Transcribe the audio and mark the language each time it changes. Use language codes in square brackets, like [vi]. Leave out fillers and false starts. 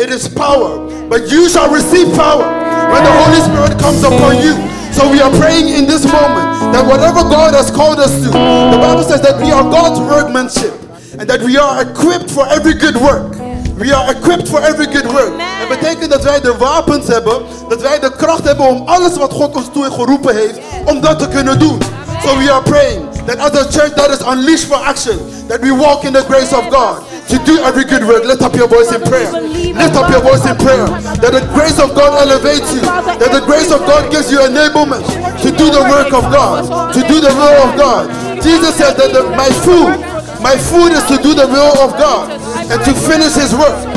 [en] It is power. But you shall receive power when the Holy Spirit comes upon you. So we are praying in this moment that whatever God has called us to, the Bible says that we are God's workmanship and that we are equipped for every good work. We are equipped for every good work. Amen. [nl] Dat betekent dat wij de wapens hebben, dat wij de kracht hebben om alles wat God ons toe geroepen heeft, om dat te kunnen doen. [en] Amen. So we are praying that as a church that is unleashed for action, that we walk in the grace of God to do every good work. Lift up your voice in prayer. Lift up your voice in prayer. That the grace of God elevates you. That the grace of God gives you enablement to do the work of God. To do the will of God. Jesus said that my food is to do the will of God and to finish his work.